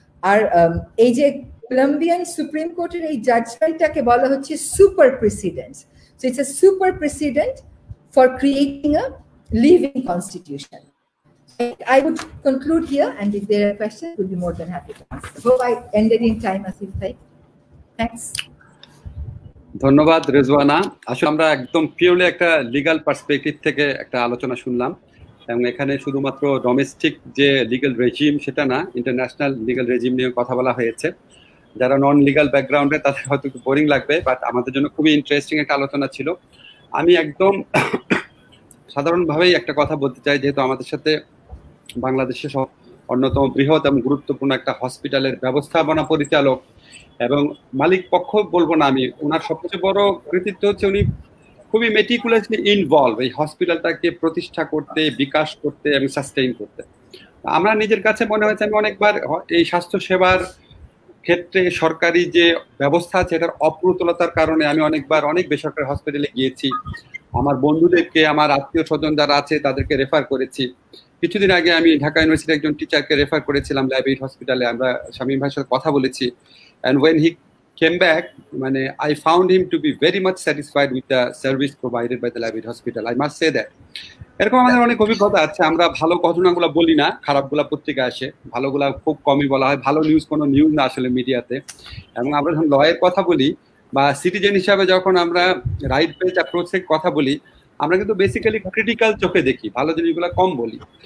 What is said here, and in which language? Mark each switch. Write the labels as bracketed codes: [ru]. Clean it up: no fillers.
[bn] আর এই যে Colombian supreme কোর্টের এই জাজমেন্টটাকে বলা হচ্ছে super president, [en] so it's a super precedent for creating a living constitution. I would conclude here, and if there are questions we'll be more than happy to answer. Hope I ended in time, Asif bhai. Thanks. [bn] ধন্যবাদ রিজওয়ানা। আসলে আমরা একদম purely একটা legal perspective থেকে একটা আলোচনা শুনলাম, এবং এখানে শুধুমাত্র ডোমেস্টিক যে লিগ্যাল রেজিম সেটা না, ইন্টারন্যাশনাল লিগ্যাল রেজিম নিয়ে কথা বলা হয়েছে। যারা নন লিগাল ব্যাকগ্রাউন্ডে তাদের হয়তো একটু বোরিং লাগবে, বাট আমাদের জন্য খুবই ইন্টারেস্টিং একটা আলোচনা ছিল। আমি একদম সাধারণভাবেই একটা কথা বলতে চাই, যেহেতু আমাদের সাথে বাংলাদেশের অন্যতম বৃহৎ এবং গুরুত্বপূর্ণ একটা হসপিটালের ব্যবস্থাপনা পরিচালক এবং মালিক পক্ষ বলবো না আমি, ওনার সবচেয়ে বড় কৃতিত্ব হচ্ছে উনি খুবই মেটিকুলাসলি ইনভলভ এই হসপিটালটাকে প্রতিষ্ঠা করতে, বিকাশ করতে এবং সাস্টেইন করতে। আমরা নিজের কাছে মনে হয়েছে, আমি অনেকবার এই স্বাস্থ্যসেবার ক্ষেত্রে সরকারি যে ব্যবস্থা আছে এটার অপ্রতুলতার কারণে আমি অনেকবার অনেক বেসরকারি হসপিটালে গিয়েছি, আমার বন্ধুদেরকে আমার আত্মীয় স্বজন যারা আছে তাদেরকে রেফার করেছি। কিছুদিন আগে আমি ঢাকা ইউনিভার্সিটির একজন টিচারকে রেফার করেছিলাম লাইব্রেরি হসপিটালে, আমরা শামিম ভাইয়ের সাথে কথা বলেছি, [en] And when he came back, I found him to be very much satisfied with the service provided by the Lavit Hospital. I must say that. [bn] এরকম আমাদের অনেক অভিজ্ঞতা আছে, আমরা ভালো ঘটনাগুলো বলি না, খারাপগুলো পত্রিকা আসে, ভালোগুলো খুব কমই বলা হয়, ভালো নিউজ কোনো নিউজ না আসলে মিডিয়াতে। এবং আমরা যখন লয়ের কথা বলি বা সিটিজেন হিসাবে যখন আমরা রাইট পেজ অ্যাপ্রোচের কথা বলি, আমরা কিন্তু বেসিক্যালি ক্রিটিক্যাল চোখে দেখি, ভালো জিনিসগুলো কম বলি।